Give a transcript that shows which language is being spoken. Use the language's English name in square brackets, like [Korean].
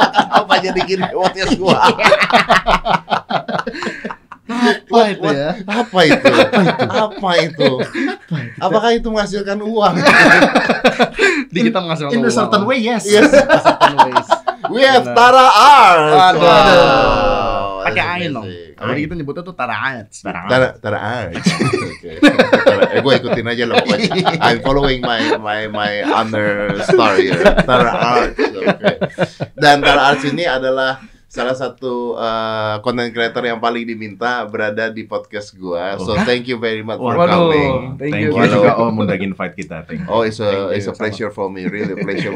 [Indonesian] Apa jadi gini waktunya gua? Apa itu ya? Apa itu? Apa itu? Apakah itu menghasilkan uang? Di kita menghasilkan uang. [English] In a certain way, yes. In a certain way. We have Tara Arts. [Indonesian] Aduh. Pakai air dong. Kalau kita nyebutnya tuh Tara Arts. Tara Arts. Okay. Gue ikutin aja loh. [English] I'm following my other star here. Tara Arts. Okay. [Indonesian] Dan Tara Arts ini adalah salah satu content creator yang paling diminta berada di podcast gue. [English] So thank you very much for coming. [Indonesian] Thank you juga om undang invite kita. [English] Oh, it's a pleasure for me, really pleasure.